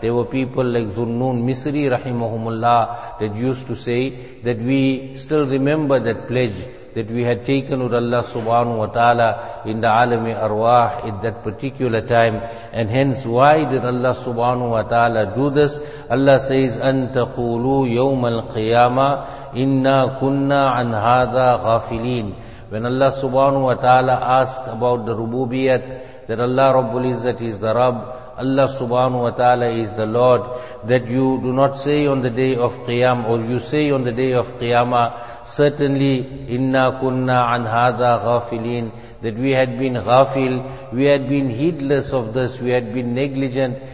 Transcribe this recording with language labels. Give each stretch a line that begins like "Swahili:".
English: There were people like Dhunnun Misri rahimahumullah that used to say that we still remember that pledge, that we had taken with Allah subhanahu wa ta'ala in the alami arwah at that particular time. And hence, why did Allah subhanahu wa ta'ala do this? Allah says,
Arabic: أَنْتَ قُولُوا يَوْمَ الْقِيَامَةِ إِنَّا كُنَّا عَنْ هَذَا غَافِلِينَ.
English: When Allah subhanahu wa ta'ala asked about the rububiyat, that Allah Rabbul Izzat is the Rabb, Allah subhanahu wa ta'ala is the Lord, that you do not say on the day of Qiyam, or you say on the day of Qiyamah, certainly,
Arabic: inna kunna an hadha ghafilin,
English: that we had been ghafil, we had been heedless of this, we had been negligent.